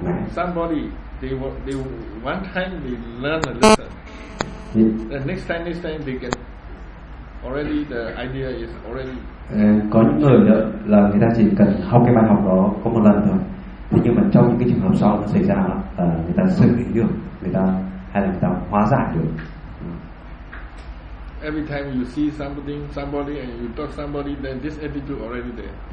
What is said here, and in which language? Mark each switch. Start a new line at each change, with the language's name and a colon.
English: Somebody they one time they learn a lesson. The next time they get already the idea is already.
Vietnamese: Có những người đó là người ta chỉ cần học cái bài học đó có một lần thôi. Thế nhưng mà trong những cái trường hợp sau nó xảy ra là người ta sự hiểu được, người ta hay là người ta hóa giải được.
English: Every time you see somebody and you talk somebody, then this attitude already there.